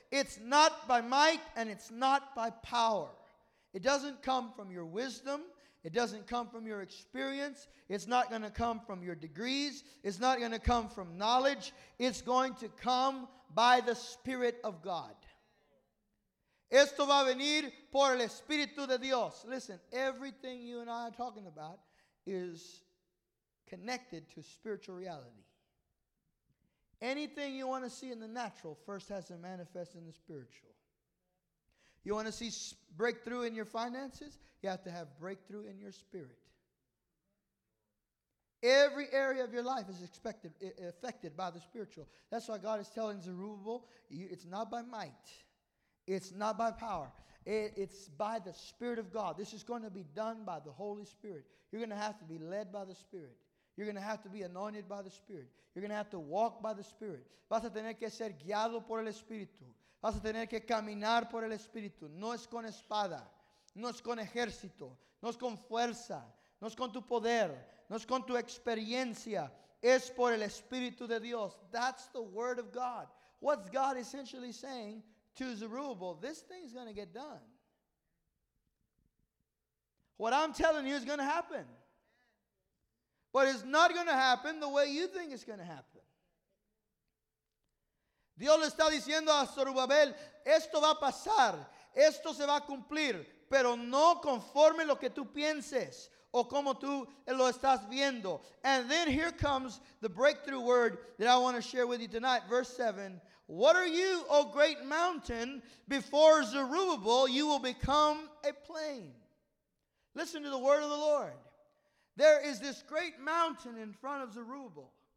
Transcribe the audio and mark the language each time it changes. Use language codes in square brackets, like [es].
[en] It's not by might and it's not by power. It doesn't come from your wisdom. It doesn't come from your experience. It's not going to come from your degrees. It's not going to come from knowledge. It's going to come by the Spirit of God. [es] Esto va a venir por el Espíritu de Dios. [en] Listen, everything you and I are talking about is connected to spiritual reality. Anything you want to see in the natural first has to manifest in the spiritual. You want to see breakthrough in your finances? You have to have breakthrough in your spirit. Every area of your life is expected, affected by the spiritual. That's why God is telling Zerubbabel, it's not by might. It's not by power. It's by the Spirit of God. This is going to be done by the Holy Spirit. You're going to have to be led by the Spirit. You're going to have to be anointed by the Spirit. You're going to have to walk by the Spirit. [es] Vas a tener que ser guiado por el Espíritu. Vas a tener que caminar por el Espíritu. No es con espada. No es con ejército. No es con fuerza. No es con tu poder. No es con tu experiencia. Es por el Espíritu de Dios. [en] That's the Word of God. What's God essentially saying to Zerubbabel? This thing's going to get done. What I'm telling you is going to happen. But it's not going to happen the way you think it's going to happen. [es] Dios le está diciendo a Zerubbabel, esto va a pasar, esto se va a cumplir, pero no conforme lo que tú pienses o como tú lo estás viendo. [en] And then here comes the breakthrough word that I want to share with you tonight. Verse 7, what are you, O great mountain, before Zerubbabel you will become a plain. Listen to the word of the Lord. There is this great mountain in front of Zerubbabel.